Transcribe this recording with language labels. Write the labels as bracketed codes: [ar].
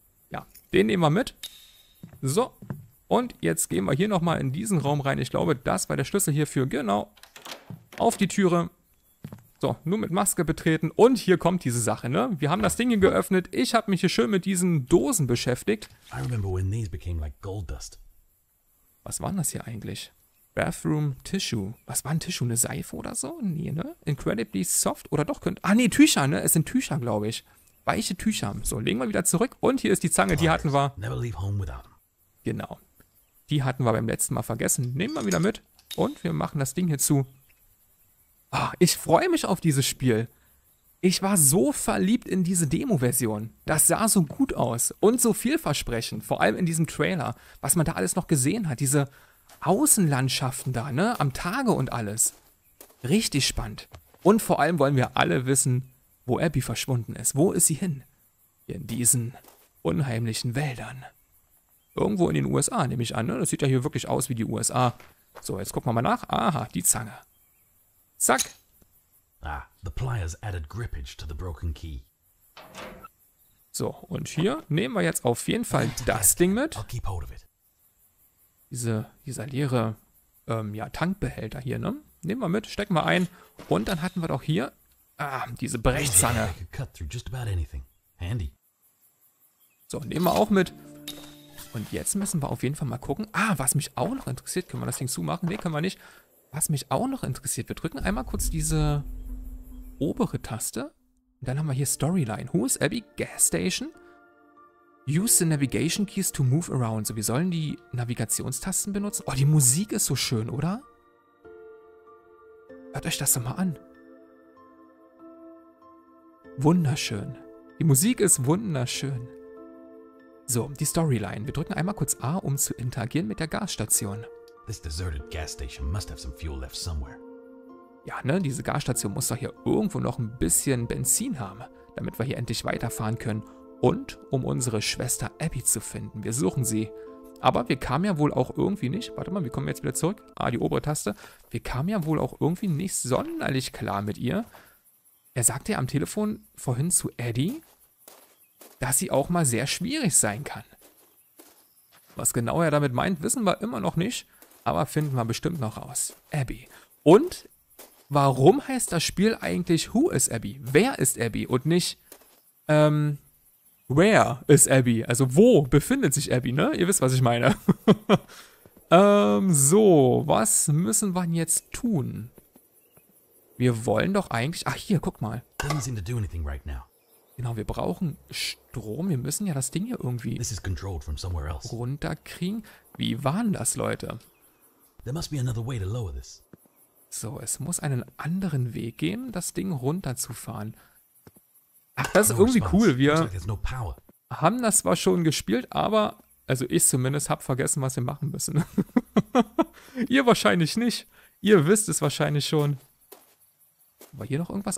[de] Ja, den nehmen wir mit. So, und jetzt gehen wir hier nochmal in diesen Raum rein. Ich glaube, das war der Schlüssel hierfür. Genau, auf die Türe. So, nur mit Maske betreten. Und hier kommt diese Sache, ne? Wir haben das Ding hier geöffnet. Ich habe mich hier schön mit diesen Dosen beschäftigt. [en] I remember when these became like gold dust. [de] Was waren das hier eigentlich? Bathroom Tissue. Was war ein Tissue? Eine Seife oder so? Nee, ne? [en] Incredibly soft. [de] Oder doch könnte... Ah, nee, Tücher, ne? Es sind Tücher, glaube ich. Weiche Tücher. So, legen wir wieder zurück. Und hier ist die Zange, die hatten wir... [en] Never leave home without them. [de] Genau. Die hatten wir beim letzten Mal vergessen. Nehmen wir wieder mit. Und wir machen das Ding hier zu. Oh, ich freue mich auf dieses Spiel. Ich war so verliebt in diese Demo-Version. Das sah so gut aus und so vielversprechend. Vor allem in diesem Trailer, was man da alles noch gesehen hat. Diese Außenlandschaften da, ne, am Tage und alles. Richtig spannend. Und vor allem wollen wir alle wissen, wo Abby verschwunden ist. Wo ist sie hin? In diesen unheimlichen Wäldern. Irgendwo in den USA, nehme ich an. Ne? Das sieht ja hier wirklich aus wie die USA. So, jetzt gucken wir mal nach. Aha, die Zange. Zack. [en] Ah, the pliers added grippage to the broken key. [de] So, und hier nehmen wir jetzt auf jeden Fall das Ding mit. [en] I'll keep hold of it. [de] Dieser leere Tankbehälter hier, ne? Nehmen wir mit, stecken wir ein. Und dann hatten wir doch hier diese Brechzange. [en] I could cut through just about anything. Handy. [de] So, nehmen wir auch mit. Und jetzt müssen wir auf jeden Fall mal gucken. Ah, was mich auch noch interessiert, können wir das Ding zumachen? Nee, können wir nicht. Was mich auch noch interessiert, wir drücken einmal kurz diese obere Taste. Und dann haben wir hier Storyline. [en] Who is Abby? Gas Station? Use the navigation keys to move around. [de] So, wir sollen die Navigationstasten benutzen. Oh, die Musik ist so schön, oder? Hört euch das doch mal an. Wunderschön. Die Musik ist wunderschön. So, die Storyline. Wir drücken einmal kurz A, um zu interagieren mit der Gasstation. [en] This deserted gas station must have some fuel left somewhere. [de] Ja, ne, diese Gasstation muss doch hier irgendwo noch ein bisschen Benzin haben, damit wir hier endlich weiterfahren können und um unsere Schwester Abby zu finden. Wir suchen sie, aber wir kamen ja wohl auch irgendwie nicht, warte mal, wir kommen jetzt wieder zurück, die obere Taste, wir kamen ja wohl auch irgendwie nicht sonderlich klar mit ihr. Er sagte ja am Telefon vorhin zu Eddie, dass sie auch mal sehr schwierig sein kann. Was genau er damit meint, wissen wir immer noch nicht, aber finden wir bestimmt noch raus. Abby. Und warum heißt das Spiel eigentlich Who is Abby? Wer ist Abby? Und nicht Where is Abby? Also wo befindet sich Abby, ne? Ihr wisst, was ich meine. So, was müssen wir jetzt tun? Wir wollen doch eigentlich... Ach hier, guck mal. [en] Doesn't seem to do anything right now. [de] Genau, wir brauchen Strom. Wir müssen ja das Ding hier irgendwie [en] This is controlled from somewhere else. [de] Runterkriegen. Wie waren das, Leute? [en] There must be another way to lower this. [de] So, es muss einen anderen Weg geben, das Ding runterzufahren. Ach, das ist irgendwie cool. Wir haben das zwar schon gespielt, aber... Also ich zumindest habe vergessen, was wir machen müssen. Ihr wahrscheinlich nicht. Ihr wisst es wahrscheinlich schon. War hier noch irgendwas?